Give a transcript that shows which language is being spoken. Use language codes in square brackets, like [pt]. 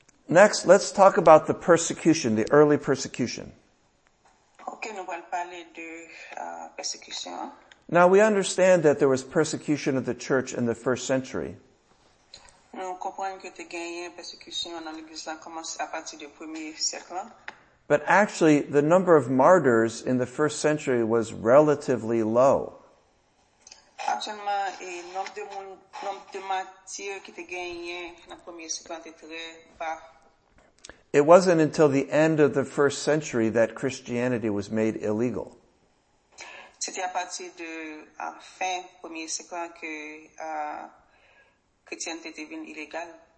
[en] Next, let's talk about the persecution, the early persecution. [fr] Okay, nous allons parler de persécution. [en] Now, we understand that there was persecution of the church in the first century. [fr] Nous comprenons que tu gagnais persécution dans l'église là commence à partir du premier siècle. [en] But actually, the number of martyrs in the first century was relatively low. [fr] Actuellement, le nombre de martyrs qui étaient gagnés dans le premier siècle était très bas. [en] It wasn't until the end of the first century that Christianity was made illegal. [fr] C'était à partir de la fin du premier siècle que la chrétienté devint illégale.